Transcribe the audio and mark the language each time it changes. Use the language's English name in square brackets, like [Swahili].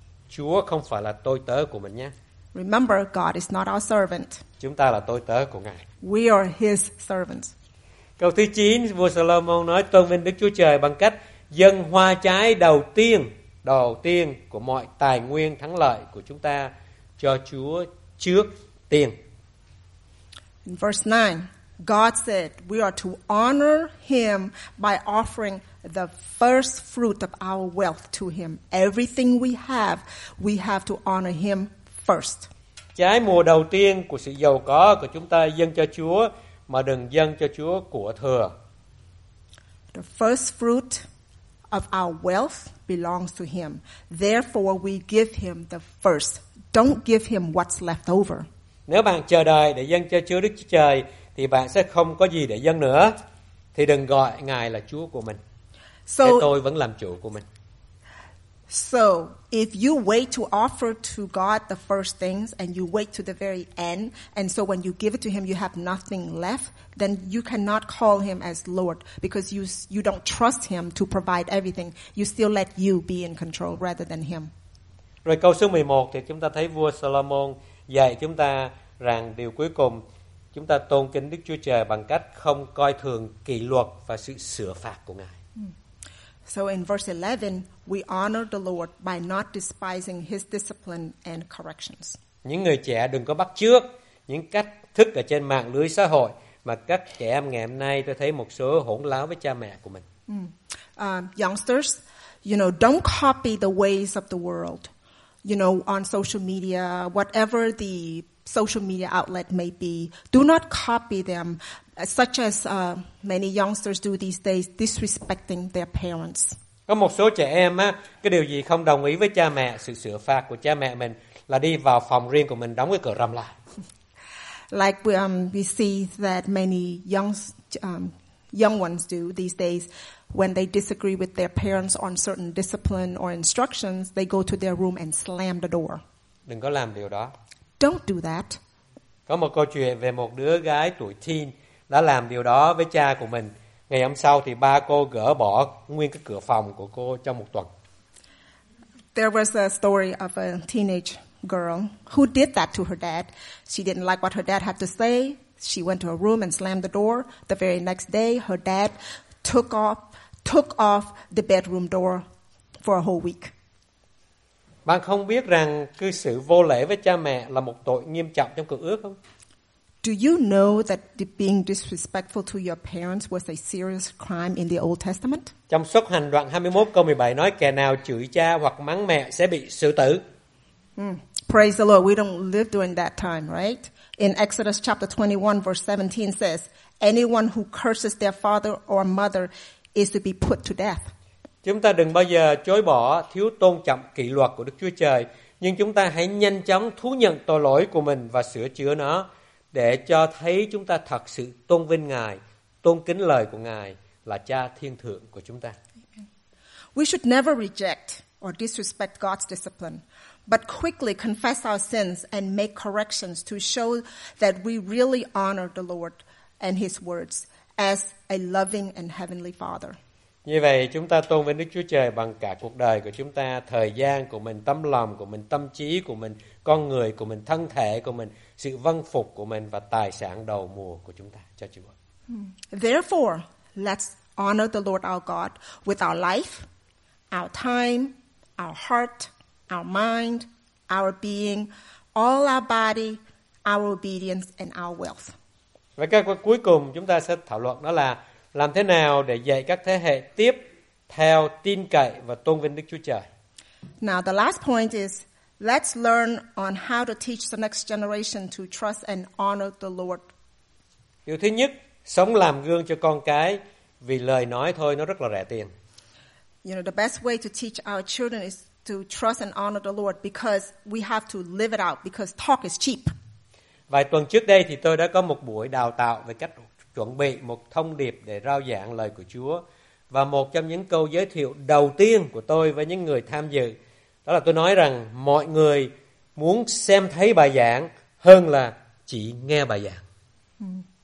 [Vietnamese] Chúa không phải là tôi tớ của mình nhé. [English] Remember, God is not our servant. [Vietnamese] Chúng ta là tôi tớ của Ngài. [English] We are his servants. [Vietnamese] Câu thứ 9, vua Solomon nói tôn vinh Đức Chúa Trời bằng cách dâng hoa trái đầu tiên của mọi tài nguyên thắng lợi của chúng ta cho Chúa trước tiên. [English] In verse 9, God said, we are to honor him by offering the first fruit of our wealth to him. Everything we have to honor him first. [Vietnamese] Trái mùa đầu tiên của sự giàu có của chúng ta dâng cho Chúa, mà đừng dâng cho Chúa của thừa. [English] The first fruit of our wealth belongs to him. Therefore, we give him the first. Don't give him what's left over. [Vietnamese] Nếu bạn chờ đợi để dâng cho Chúa Đức Chúa Trời thì bạn sẽ không có gì để dâng nữa. Thì đừng gọi Ngài là Chúa của mình. [English] So, [Vietnamese] thế tôi vẫn làm chủ của mình. [English] So, if you wait to offer to God the first things and you wait to the very end, and so when you give it to him you have nothing left, then you cannot call him as Lord because you don't trust him to provide everything. You still let you be in control rather than him. [Vietnamese] Rồi câu số 11 thì chúng ta thấy vua Solomon dạy chúng ta rằng điều cuối cùng, chúng ta tôn kính Đức Chúa Trời bằng cách không coi thường kỷ luật và sự sửa phạt của Ngài. [English] So in verse 11, we honor the Lord by not despising his discipline and corrections. [Vietnamese] Những người trẻ đừng có bắt chước những cách thức ở trên mạng lưới xã hội mà các trẻ em ngày hôm nay tôi thấy một số hỗn láo với cha mẹ của mình. [English] Youngsters, you know, don't copy the ways of the world. You know, on social media, whatever the social media outlet may be, do not copy them, such as many youngsters do these days, disrespecting their parents. [Vietnamese] Có một số trẻ em á, cái điều gì không đồng ý với cha mẹ, sự sửa phạt của cha mẹ mình là đi vào phòng riêng của mình đóng cái cửa rầm lại. [English] Like we see that many young ones do these days. When they disagree with their parents on certain discipline or instructions, they go to their room and slam the door. [Vietnamese] Đừng có làm điều đó. [English] Don't do that. [Vietnamese] Có một câu chuyện về một đứa gái tuổi teen đã làm điều đó với cha của mình. Ngày hôm sau thì ba cô gỡ bỏ nguyên cái cửa phòng của cô trong một tuần. [English] There was a story of a teenage girl who did that to her dad. She didn't like what her dad had to say. She went to her room and slammed the door. The very next day, her dad took off the bedroom door for a whole week. [Vietnamese] Bạn không biết rằng cư xử vô lễ với cha mẹ là một tội nghiêm trọng trong Cựu Ước không? [English] Do you know that being disrespectful to your parents was a serious crime in the Old Testament? [Vietnamese] Trong Xuất Hành đoạn 21 câu 17 nói kẻ nào chửi cha hoặc mắng mẹ sẽ bị xử tử. [English] Praise the Lord, we don't live during that time, right? In Exodus chapter 21 verse 17 says, anyone who curses their father or mother is to be put to death. [Vietnamese] Chúng ta đừng bao giờ chối bỏ thiếu tôn trọng kỷ luật của Đức Chúa Trời, nhưng chúng ta hãy nhanh chóng thú nhận tội lỗi của mình và sửa chữa nó để cho thấy chúng ta thật sự tôn vinh Ngài, tôn kính lời của Ngài là Cha thiên thượng của chúng ta. [English] We should never reject or disrespect God's discipline, but quickly confess our sins and make corrections to show that we really honor the Lord and his words as a loving and heavenly father. [Vietnamese] Như vậy chúng ta tôn vinh Đức Chúa Trời bằng cả cuộc đời của chúng ta, thời gian của mình, tâm lòng của mình, tâm trí của mình, con người của mình, thân thể của mình, sự vâng phục của mình và tài sản đầu mùa của chúng ta cho Chúa. [English] Therefore, let's honor the Lord our God with our life, our time, our heart, our mind, our being, all our body, our obedience and our wealth. [Vietnamese] Và cái cuối cùng chúng ta sẽ thảo luận đó là làm thế nào để dạy các thế hệ tiếp theo tin cậy và tôn vinh Đức Chúa Trời. [English] Now the last point is let's learn on how to teach the next generation to trust and honor the Lord. [Vietnamese] Điều thứ nhất, sống làm gương cho con cái vì lời nói thôi nó rất là rẻ tiền. [English] You know, the best way to teach our children is to trust and honor the Lord because we have to live it out because talk is cheap. [Vietnamese] Vài tuần trước đây thì tôi đã có một buổi đào tạo về cách chuẩn bị một thông điệp để rao giảng lời của Chúa. Và một trong những câu giới thiệu đầu tiên của tôi với những người tham dự, đó là tôi nói rằng mọi người muốn xem thấy bài giảng hơn là chỉ nghe bài giảng.